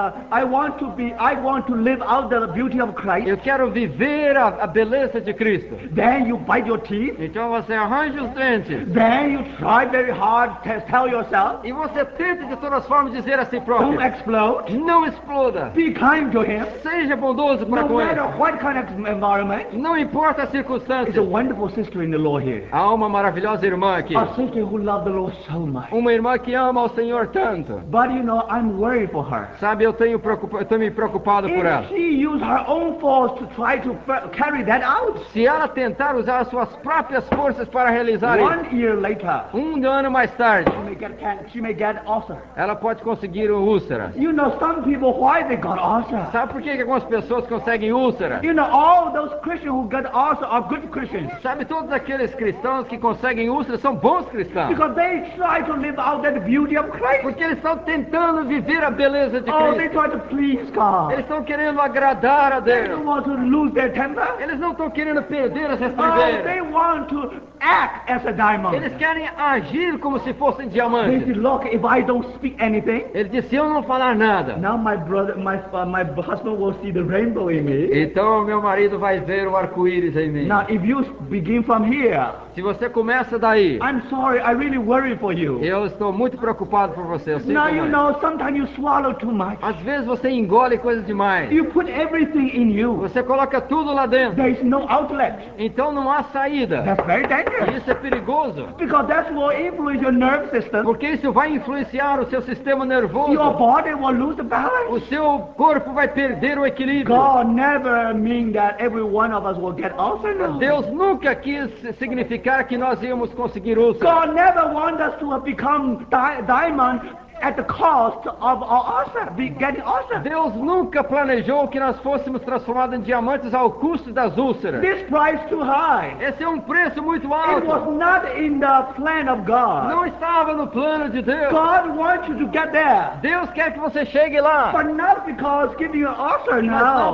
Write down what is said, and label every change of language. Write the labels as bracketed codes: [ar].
[en] I want to live out the beauty of Christ. [pt] Eu quero viver a beleza de Cristo. [en] Then you bite your teeth. [pt] Então você arranja os dentes. [en] Then you try very hard to tell yourself. [pt] E você tenta de todas as formas dizer a si próprio. [en] Don't explode. [pt] Não exploda. [en] Be kind to him. [pt] Seja bondoso para com ele. [en] Kind of environment. [pt] Não importa a circunstância. [en] It's a wonderful sister in the Lord here. [pt] Há uma maravilhosa irmã aqui. [en] A sister who loves the Lord so much. [pt] Uma irmã que ama o Senhor tanto. [en] But you know, I'm worried for her. [pt] Sabe, eu tenho me preocupado [en] if [pt] por ela. [en] She use her own force to try to carry that out. [pt] Se ela tentar usar as suas próprias forças para realizar isso. [en] One year later. [pt] Um ano mais tarde. [en] She may get ulcer. [pt] Ela pode conseguir úlcera. [en] You know, some people, why they got ulcer? [pt] Sabe por que algumas pessoas conseguem úlcera? [en] You know, all those Christians who get ulcers are good Christians. [pt] Sabe, todos aqueles cristãos que conseguem úlceras são bons cristãos. [en] Because they try to live out that beauty of Christ. [pt] Porque eles estão tentando viver a beleza de Cristo. [en] Oh, they try to please God. [pt] Eles estão querendo agradar a Deus. [en] They don't want to lose their temper. [pt] Eles não estão querendo perder a sua temperança. [en] Oh, they want to act as a diamond. [pt] Eles querem agir como se fossem diamantes. [en] They say, look, if I don't speak anything, [pt] ele disse, se eu não falar nada, [en] now my husband will see the rainbow in me. [pt] Então meu marido vai ver o arco-íris em mim. [en] Now, if you begin from here, [pt] se você começa daí, [en] I'm sorry, I really worry for you. [pt] Eu estou muito preocupado por você. [en] Now you know, sometimes you swallow too much. [pt] Às vezes você engole coisas demais. [en] You put everything in you. [pt] Você coloca tudo lá dentro. [en] There is no outlet. [pt] Então não há saída. [en] That's very dangerous. [pt] Isso é perigoso. [en] Because that will influence your nerve system. [pt] Porque isso vai influenciar o seu sistema nervoso. [en] Your body will lose the balance. [pt] O seu corpo vai perder o equilíbrio. [en] God never mean that every one of us will get ulcer. No. [pt] Deus nunca quis significar que nós íamos conseguir ulcer. [en] God never want us to have become diamond at the cost of our ulcer, getting ulcer. [pt] Deus nunca planejou que nós fôssemos transformados em diamantes ao custo das úlceras. [en] This price too high. [pt] Esse é um preço muito alto. [en] It was not in the plan of God. [pt] Não estava no plano de Deus. [en] God wants you to get there. [pt] Deus quer que você chegue lá. [en] But not because giving you an ulcer now.